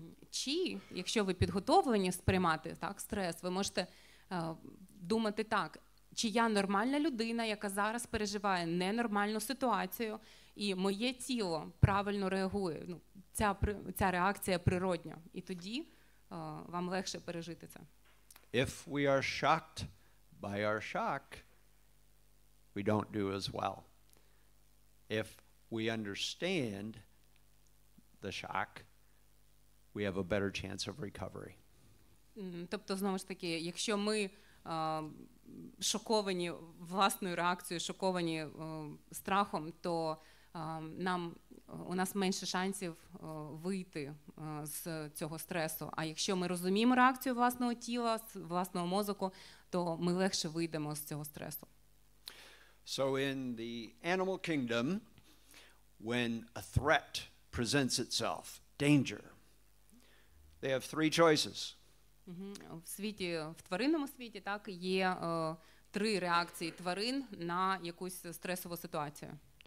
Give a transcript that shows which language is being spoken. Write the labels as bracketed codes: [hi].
[uk] Чи, якщо ви підготовлені сприймати так стрес, ви можете думати так, чи я нормальна людина, яка зараз переживає ненормальну ситуацію, і моє тіло правильно реагує, ну, ця реакція природня, і тоді вам легше пережити це. [en] If we are shocked by our shock, we don't do as well. If we understand the shock, we have a better chance of recovery. [uk] Тобто, знову ж таки, якщо ми шоковані власною реакцією, шоковані страхом, то нам у нас менше шансів вийти з цього стресу. А якщо ми розуміємо реакцію власного тіла, власного мозку, то ми легше вийдемо з цього стресу. [en] So in the animal kingdom, when a threat presents itself, danger, they have three choices. [uk] В світі, в тваринному світі, так, є три реакції тварин на якусь стресову ситуацію.